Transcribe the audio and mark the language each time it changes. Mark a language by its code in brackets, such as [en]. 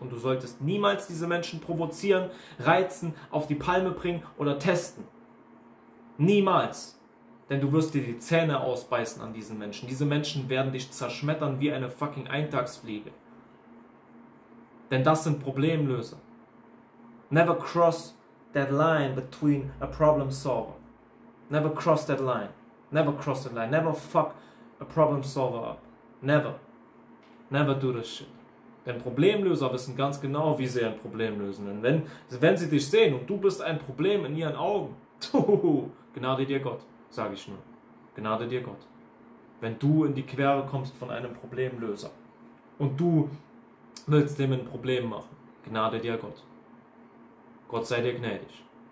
[de] Und du solltest niemals diese Menschen provozieren, reizen, auf die Palme bringen oder testen. Niemals. Denn du wirst dir die Zähne ausbeißen an diesen Menschen. Diese Menschen werden dich zerschmettern wie eine fucking Eintagsfliege. Denn das sind Problemlöser. [en] Never cross that line between a problem solver. Never cross that line. Never cross that line. Never fuck a problem solver up. Never. Never do this shit. [de] Denn Problemlöser wissen ganz genau, wie sie ein Problem lösen. Und wenn sie dich sehen und du bist ein Problem in ihren Augen, Gnade dir Gott, sage ich nur. Gnade dir Gott. Wenn du in die Quere kommst von einem Problemlöser und du willst dem ein Problem machen, Gnade dir Gott. Gott sei dir gnädig.